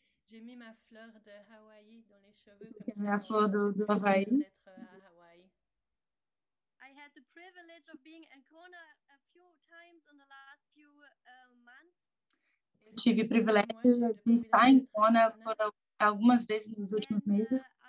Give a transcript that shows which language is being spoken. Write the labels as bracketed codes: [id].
[fr] J'ai mis ma fleur de Hawaii dans les cheveux. [pt] Minha flor do Havaí. [en] I had the privilege of being in Kona a few times in the last few months. [pt] Eu tive o privilégio de estar em Kona por algumas vezes nos últimos meses.